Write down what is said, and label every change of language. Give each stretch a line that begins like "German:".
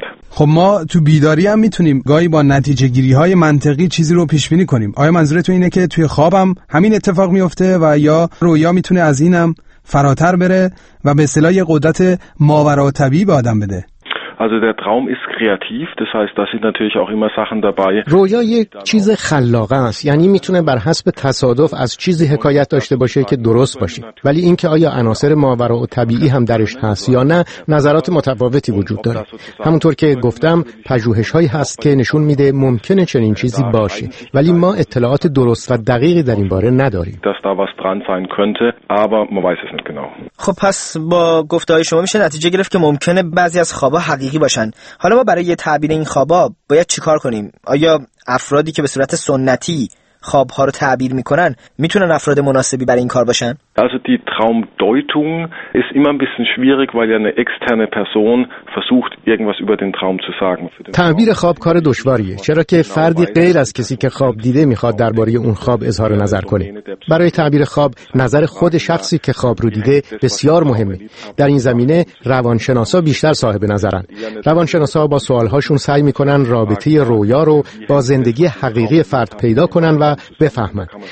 Persian: خب ما تو بیداری هم میتونیم گاهی با نتیجه گیری های منطقی چیزی رو پیش بینی کنیم. آیا منظورتون اینه که توی خواب هم همین اتفاق میفته و یا رویا میتونه از اینم فراتر بره و به اصطلاح قدرت ماوراطبیعی به آدم بده؟
German: Also der Traum ist kreativ, das heißt, da sind natürlich auch immer Sachen dabei.
Persian: رویا یک چیز خلاقه است، یعنی میتونه بر حسب تصادف از چیزی حکایت داشته باشه که درست باشه. ولی اینکه آیا عناصر ماورا و طبیعی هم درش هست یا نه، نظرات متفاوتی وجود داره. همونطور که گفتم، پژوهش‌هایی هست که نشون میده ممکنه چنین چیزی باشه، ولی ما اطلاعات درست و دقیقی در این باره نداریم.
German: Das da was dran sein könnte, aber man weiß es nicht genau.
Persian: خب پس با گفته‌های شما میشه نتیجه گرفت که ممکنه بعضی از خوابها حقیقی باشن. حالا ما برای تعبیر این خوابا باید چی کار کنیم؟ آیا افرادی که به صورت سنتی خوابها رو تعبیر میکنن میتونن افراد مناسبی برای این کار باشن؟
German: Also die Traumdeutung ist immer ein bisschen schwierig, weil ja eine externe Person versucht irgendwas über den Traum zu sagen.
Persian: تعبیر خواب کار دشواریه، چرا که فردی غیر از کسی که خواب دیده میخواد درباره اون خواب اظهار نظر کنه. برای تعبیر خواب نظر خود شخصی که خواب رو دیده بسیار مهمه. در این زمینه روانشناسا بیشتر صاحب نظرن. روانشناسا با سوالهاشون سعی میکنن رابطه رویا رو با زندگی حقیقی فرد پیدا کنن و بفهمن.